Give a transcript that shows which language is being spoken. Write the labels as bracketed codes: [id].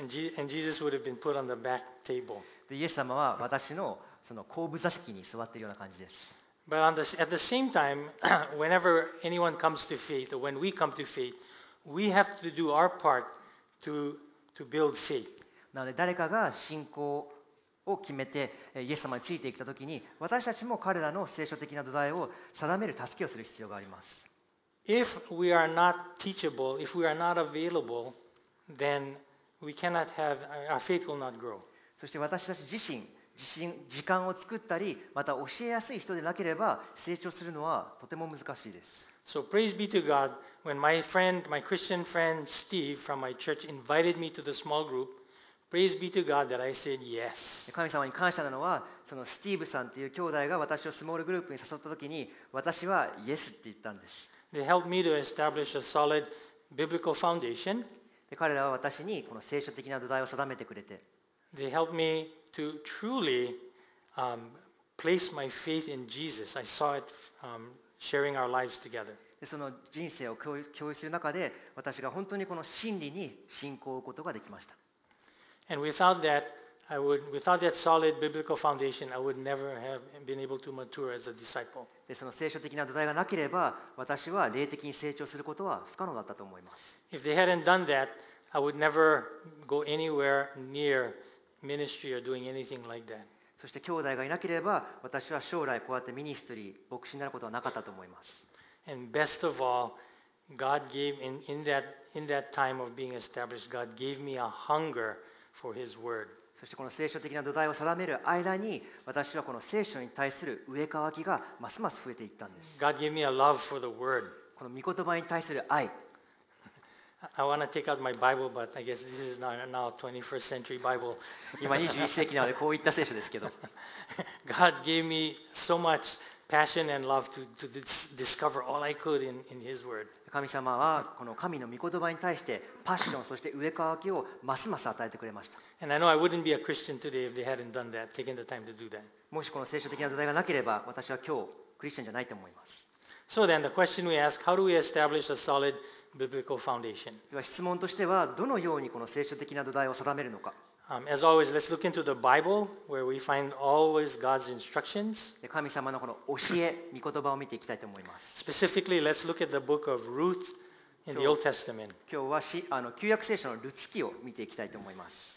[en] And Jesus would have been put on the back table. [ja] でイエス様は私のその後部座席に座っているような感じです。 [en] But at the same time, whenever anyone comes to faith, or when we come to faith, we have to do our part to build faith. [ja] なので誰かが信仰を決めてイエス様についていったときに、私たちも彼らの聖書的な土台を定める助けをする必要があります。 [en] If we are not teachable, if we are not available, then we cannot have our faith will not grow. [ja] そして私たち自身時間を作ったりまた教えやすい人でなければ成長するのはとても難しいです。 [en] So praise be to God when my friend, my Christian friend Steve from my church invited me to the small group. Praise be to God that I said yes. [ja] 神様に感謝なのはそのスティーブさんという兄弟が私をスモールグループに誘った時に私はイエスって言ったんです。 [en] They helped me to establish a solid biblical foundation. [ja] 彼らは私にこの聖書的な土台を定めてくれて [en] They helped meTo truly place my faith in Jesus, I saw it sharing our lives together. [ja] その人生を共有する中で、私が本当にこの真理に信仰を置くことができました。 [en] And without that solid biblical foundation, I would never have been able to mature as a disciple. [ja] で、その聖書的な土台がなければ、私は霊的に成長することは不可能だったと思います。 [en] If they hadn't done that, I would never go anywhere near ministry or doing anything like that. [ja] そして兄弟がいなければ、私は将来こうやってミニストリー、牧師になることはなかったと思います。 [en] And best of all, God gave in that time of being established, God gave me a hunger for His Word. [ja] そしてこの聖書的な土台を定める間に、私はこの聖書に対する植え替わきがますます増えていったんです。 [en] God gave me a love for the Word. [ja] この御言葉に対する愛。 [en] I want to take out my Bible, but I guess this is not now 21st century Bible. [ja] 今21世紀なのでこういった聖書ですけど。 [en] God gave me so much passion and love to discover all I could in His Word. [ja] 神様はこの神の御言葉に対してパッション、そして植え替わきをますます与えてくれました。 [en] And I know I wouldn't be a Christian today if they hadn't done that, taken the time to do that. [ja] もしこの聖書的な土台がなければ、私は今日クリスチャンじゃないと思います。 [en] So then the question we ask, how do we establish a solid biblical foundation? [ja] では質問としては、どのようにこの聖書的な土台を定めるのか。 [en] As always, let's look into the Bible, where we find always God's instructions. [ja] 神様のこの教え、御言葉を見ていきたいと思います。 [en] Specifically, let's look at the book of Ruth in the Old Testament. [ja] 今日は旧約聖書のルツ記を見ていきたいと思います。